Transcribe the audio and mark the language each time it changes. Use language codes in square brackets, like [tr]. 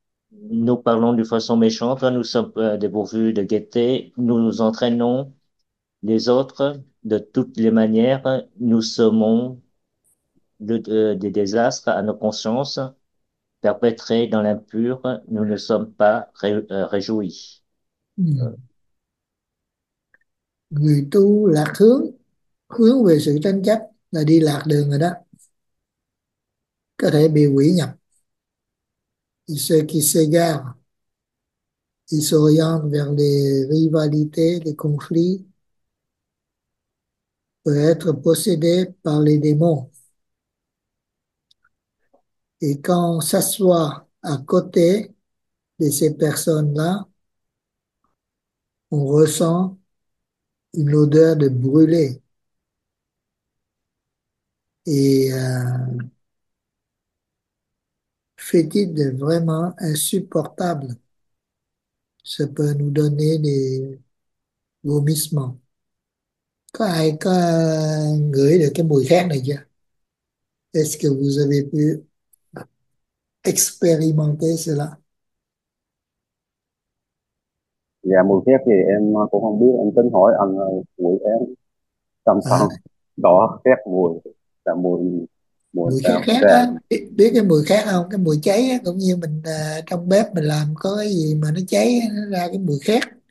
[fr] Nous parlons de façon méchante, nous sommes dépourvus de gaieté, nous entraînons les autres de toutes les manières, nous semons des désastres à nos consciences, perpétrés dans l'impur, nous ne sommes pas réjouis. [vi] Người tu lạc hướng, hướng về sự tranh chấp là đi lạc đường rồi đó, có thể bị quỷ nhập. [fr] Ceux qui s'égarent, ils s'orientent vers les rivalités, les conflits, peuvent être possédés par les démons. Et quand on s'assoit à côté de ces personnes-là, on ressent une odeur de brûlé. Et fétide vraiment insupportable. Ça peut nous donner des vomissements. [vi] Có ai có ngửi được cái mùi khác này chưa? [fr] Est-ce que vous avez pu expérimenter cela? [vi] Dạ mùi khét thì em cũng không biết, em tính hỏi anh mùi em trong À, sao đỏ khét mùi là mùi mùi mùi khác khác á, sao biết cái mùi khác không, cái mùi cháy á, cũng như mình trong bếp mình làm có cái gì mà nó cháy nó ra cái mùi khét,